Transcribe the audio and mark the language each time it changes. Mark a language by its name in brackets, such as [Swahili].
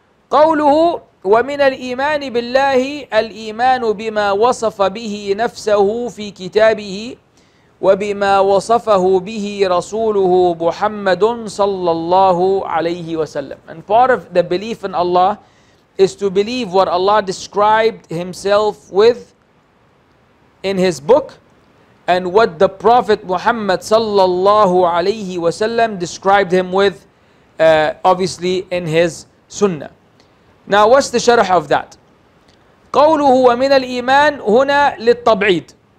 [Arabic] قوله ومن الإيمان بالله الإيمان بما وصف به نفسه في كتابه وبما وصفه به رسوله محمد صلى الله عليه وسلم. [English] And part of the belief in Allah is to believe what Allah described Himself with in His book and what the Prophet Muhammad صلى الله عليه وسلم described Him with, obviously in His Sunnah. Now, what's the sharh of that? [Arabic] قوله ومن الإيمان هنا للتبعيد.